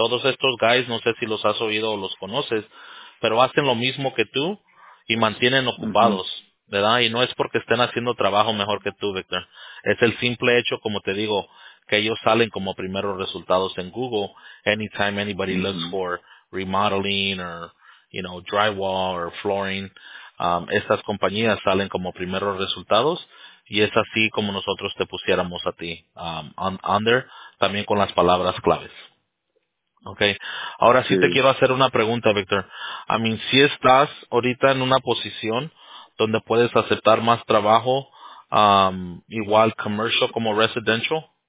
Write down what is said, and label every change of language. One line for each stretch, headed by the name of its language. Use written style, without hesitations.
Spanish: Todos estos guys, no sé si los has oído o los conoces, pero hacen lo mismo que tú y mantienen ocupados, uh-huh. ¿verdad? Y no es porque estén haciendo trabajo mejor que tú, Victor. Es el simple hecho, como te digo, que ellos salen como primeros resultados en Google
English: anytime anybody
Spanish: uh-huh.
English: looks for remodeling or, you know, drywall or flooring.
Spanish: Estas compañías salen como primeros resultados y es así como nosotros te pusiéramos a ti under, también con las palabras claves. Okay. Ahora sí, sí te quiero hacer una pregunta, Victor. I mean, si estás ahorita en una posición donde puedes aceptar más trabajo, igual commercial como residential.